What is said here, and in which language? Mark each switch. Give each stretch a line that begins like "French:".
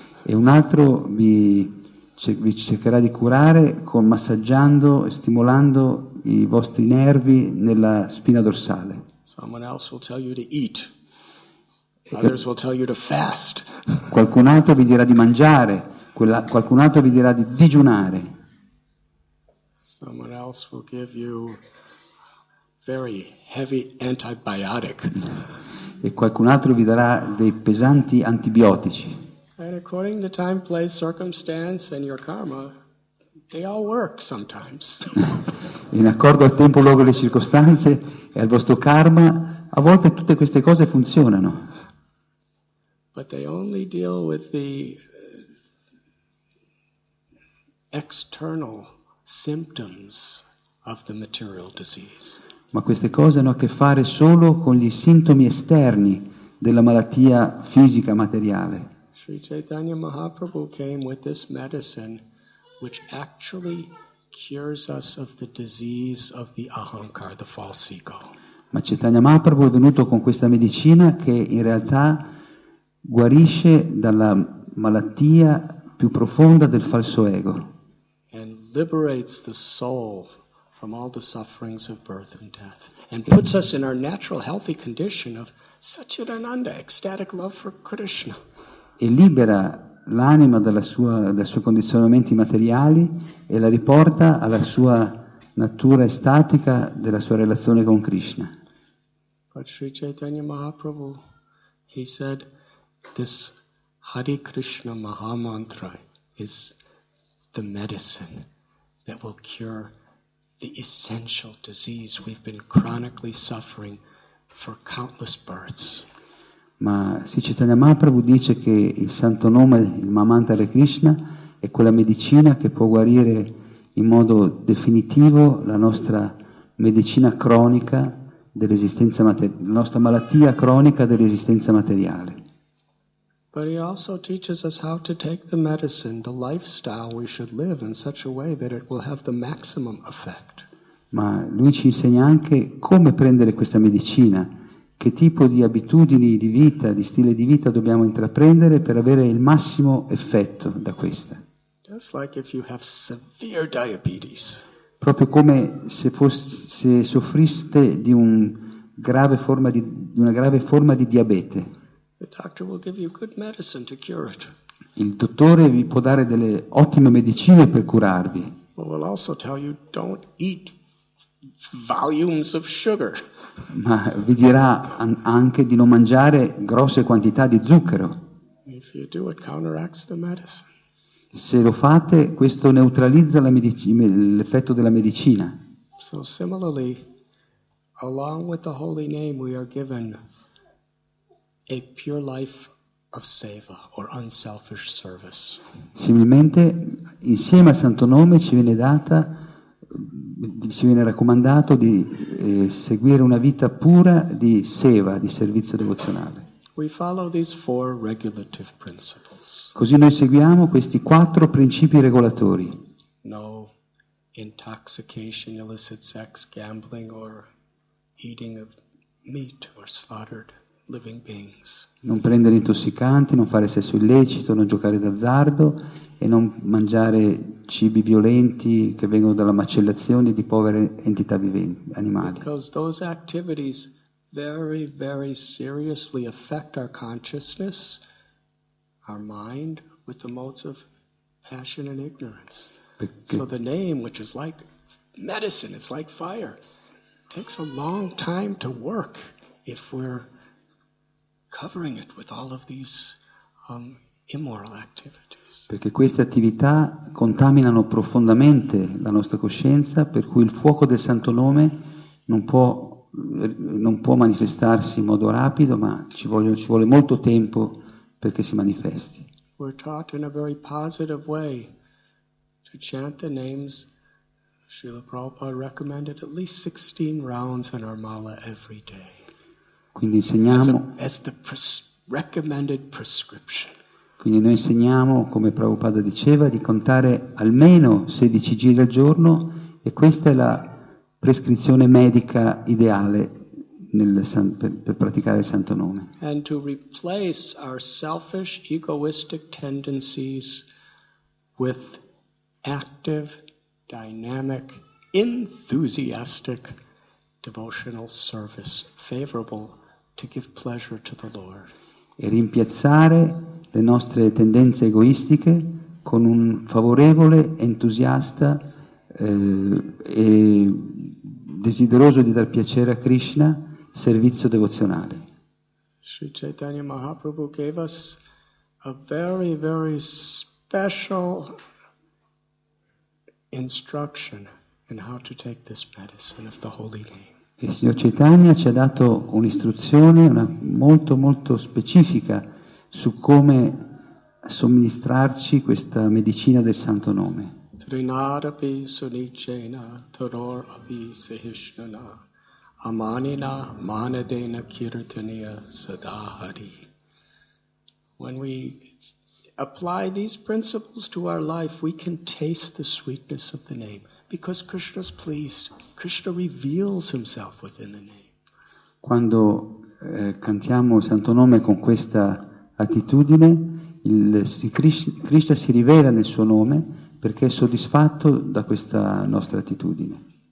Italian: E un altro vi cercherà di curare con massaggiando e stimolando i vostri nervi nella spina dorsale.
English: Someone else will tell you to eat. Others will tell you to fast.
Italian: Qualcun altro vi dirà di mangiare, qualcun altro vi dirà di digiunare.
English: Someone else will give you very heavy antibiotic.
Italian: E qualcun altro vi darà dei pesanti antibiotici.
English: And according to time, place, circumstance and your karma, they all work sometimes.
Italian: In accordo al tempo, luogo e le circostanze e al vostro karma, a volte tutte queste cose funzionano.
English: But they only deal with the external symptoms of the material disease.
Italian: Ma queste cose hanno a che fare solo con gli sintomi esterni della malattia fisica materiale.
English: Sri Chaitanya Mahaprabhu came with this medicine which actually cures us of the disease of the ahankar, the false ego.
Italian: Ma Chaitanya Mahaprabhu è venuto con questa medicina che in realtà guarisce dalla malattia più profonda del falso ego.
English: And liberates the soul from all the sufferings of birth and death and puts us in our natural healthy condition of Satchitananda, ecstatic love for Krishna.
Italian: E libera l'anima dai suoi condizionamenti materiali e la riporta alla sua natura estatica della sua relazione con Krishna.
English: But Sri Chaitanya Mahaprabhu, he said, this Hare Krishna Mahamantra is the medicine that will cure the essential disease we've been chronically suffering for countless births.
Italian: Ma Sri Chaitanya Mahaprabhu dice che il santo nome, il Mahamantra Hare Krishna, è quella medicina che può guarire in modo definitivo la nostra medicina cronica dell'esistenza materiale, la nostra malattia cronica dell'esistenza materiale.
English: But he also teaches us how to take the medicine, the lifestyle we should live in such a way that it will have the maximum effect.
Italian: Ma lui ci insegna anche come prendere questa medicina. Che tipo di abitudini di vita, di stile di vita dobbiamo intraprendere per avere il massimo effetto da questa?
English: Just like if you have severe diabetes.
Italian: Proprio come se soffriste di una grave forma di diabete.
English: The doctor will give you good medicine to cure it.
Italian: Il dottore vi può dare delle ottime medicine per curarvi.
English: He will also tell you don't eat volumes of sugar.
Italian: Ma vi dirà anche di non mangiare grosse quantità di zucchero.
English: If you do, it counteracts the medicine.
Italian: Se lo fate, questo neutralizza l'effetto della medicina.
English: So similarly, along with the holy name, we are given a pure life of seva or unselfish service.
Italian: Similmente, insieme al santo nome, ci viene raccomandato di seguire una vita pura di seva, di servizio devozionale.
English: We follow these four regulative principles.
Italian: Così noi seguiamo questi quattro principi regolatori.
English: No intoxication, illicit sex, gambling or eating of meat or slaughtered living beings.
Italian: Non prendere intossicanti, non fare sesso illecito, non giocare d'azzardo e non mangiare cibi violenti che vengono dalla macellazione di povere entità viventi, animali.
English: Because those activities very, very seriously affect our consciousness, our mind, with the modes of passion and ignorance. So the name, which is like medicine, it's like fire, takes a long time to work if we're covering it with all of these immoral activities.
Italian: Perché queste attività contaminano profondamente la nostra coscienza, per cui il fuoco del santo nome non può manifestarsi in modo rapido, ma ci vuole molto tempo perché si manifesti.
English: We're taught in a very positive way to chant the names. Srila Prabhupada recommended at least 16 rounds in our mala every day.
Italian: Quindi insegniamo
English: recommended prescription.
Italian: Quindi noi insegniamo, come Prabhupada diceva, di contare almeno 16 giri al giorno, e questa è la prescrizione medica ideale per praticare il santo nome.
English: And to replace our selfish, egoistic tendencies with active, dynamic, enthusiastic devotional service favorable to give pleasure to the Lord.
Italian: E rimpiazzare le nostre tendenze egoistiche con un favorevole, entusiasta e desideroso di dar piacere a Krishna, servizio devozionale.
English: Sri Chaitanya Mahaprabhu gave us a very, very special instruction in how to take this medicine of the holy name.
Italian: Il signor Chaitanya ci ha dato un'istruzione molto, molto specifica su come somministrarci questa medicina del santo nome.
Sanskrit: Trinadapi sunichena taror api sahishnana amanina manadena kirtaniya sadahari.
English: When we apply these principles to our life, we can taste the sweetness of the name, because Krishna's pleased. Krishna reveals himself within the name.
Italian: Quando cantiamo il santo nome con questa attitudine, Krishna si rivela nel suo nome, perché è soddisfatto da questa nostra attitudine.